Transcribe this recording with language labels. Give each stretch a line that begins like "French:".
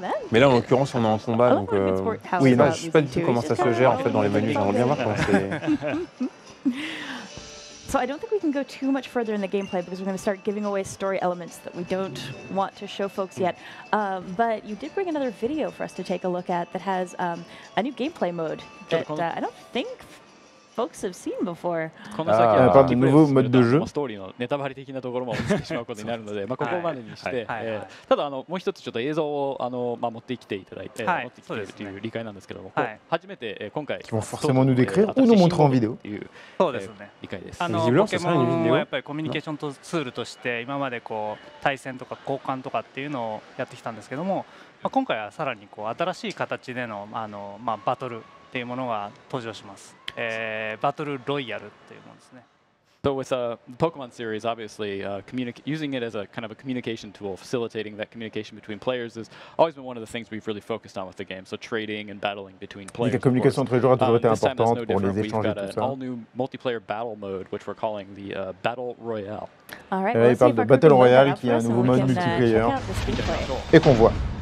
French: Mais là, en l'occurrence, on est en combat, donc oui, non, je sais pas du tout comment ça se gère en fait dans les menus. J'aimerais bien voir comment c'est.
English: So I don't think we can go too much further in the gameplay because we're going to start giving away story elements that we don't want to show folks yet. But you did bring another video for us to take a look at that has a new gameplay mode that I don't think folks have seen before.
French: Ah, nouveau mode de jeu.
Japanese: Story のネタバレ的なところも落ちてしまうことになるので、まあここまでにして、ただもう一つちょっと映像をまあ持ってきていただいて、持ってきているという理解なんですけども、初めて今回、
French: qui vont forcément nous décrire ou nous montrer en vidéo.
Japanese: そうですね。理解です。ポケモンはやっぱりコミュニケーションツールとして今までこう対戦とか交換とかっていうのをやってきたんですけども、まあ今回はさらにこう新しい形でのまあバトルっていうものが登場します。 Battle Royale っていうものですね。
English: So with the Pokemon series, obviously using it as a kind of a communication tool, facilitating that communication between players has always been one of the things we've really focused on with the game. So trading and battling between players.
French: La communication entre joueurs a toujours été importante pour les échanges et tout ça.
English: We've got an all-new multiplayer battle mode, which we're calling the Battle Royale. All right, let's see
French: Battle Royale, qui est un nouveau mode multiplayer, et qu'on voit.